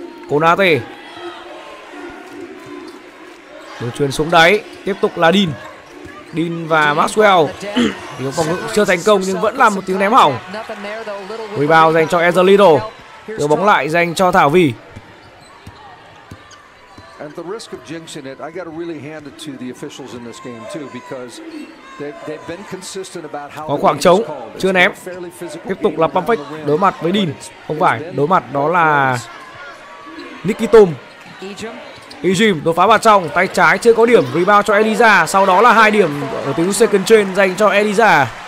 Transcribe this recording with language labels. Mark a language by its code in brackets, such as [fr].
[vi] Konate đường truyền xuống đáy, tiếp tục là Dean. Dean và Maxwell. Tiếng phòng ngự chưa thành công nhưng vẫn là một tiếng ném hỏng. Rebound dành cho Ezra Little. Đưa bóng lại dành cho Thảo Vi. [en] And the risk of jinxing it, I got to really hand it to the officials in this game too, because they've been consistent about how. [vi] Có khoảng trống, chưa ném. Tiếp tục là pump fake đối mặt với Dean. Không phải, đối mặt đó là Nicky Tom. Ejim đột phá vào trong, tay trái chưa có điểm. Rebound cho Eliza, sau đó là 2 điểm ở tiếng second chain dành cho Eliza.